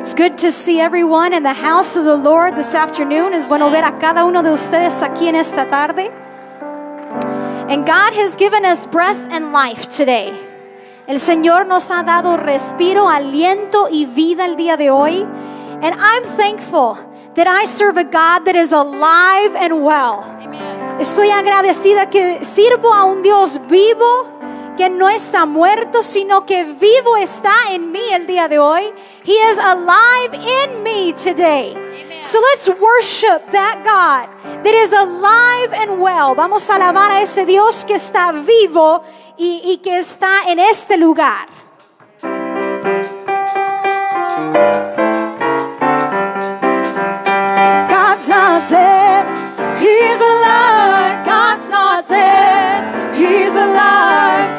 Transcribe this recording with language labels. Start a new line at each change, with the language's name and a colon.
English: It's good to see everyone in the house of the Lord this afternoon.
Spanish: Es bueno ver a cada uno de ustedes aquí en esta tarde.
English: And God has given us breath and life today.
Spanish: El Señor nos ha dado respiro, aliento y vida el día de hoy.
English: And I'm thankful that I serve a God that is alive and well. Amen.
Spanish: Estoy agradecida que sirvo a un Dios vivo, que no está muerto, sino que vivo está en mí el día de hoy.
English: He is alive in me today. Amen. So let's worship that God that is alive and well.
Spanish: Vamos a alabar a ese Dios que está vivo y que está en este lugar.
English: God's not dead, He's alive. God's not dead, He's alive.